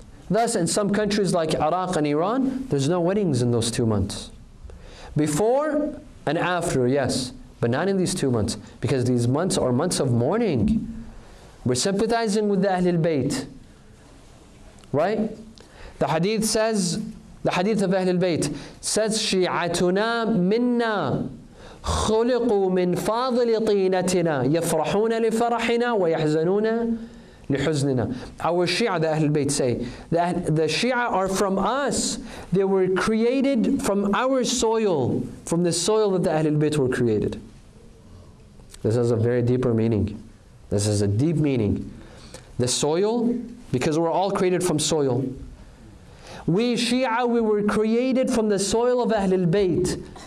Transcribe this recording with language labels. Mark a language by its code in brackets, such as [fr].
[en] Thus, in some countries like Iraq and Iran, there's no weddings in those 2 months. Before and after, yes. But not in these 2 months. Because these months are months of mourning. We're sympathizing with the Ahlul Bayt. Right? The hadith says, the hadith of Ahlul Bayt says, [ar] شِعَتُنَا مِنَّا خُلِقُوا مِنْ فَاضِلِ طِينَتِنَا يَفْرَحُونَ لِفَرَحِنَا وَيَحْزَنُونَ لِحُزْنِنَا. [en] Our Shia, the Ahlul Bayt say, the Shia are from us. They were created from our soil, from the soil that the Ahlul Bayt were created. This has a very deeper meaning. This is a deep meaning. The soil, because we're all created from soil. We Shia, we were created from the soil of Ahlul Bayt.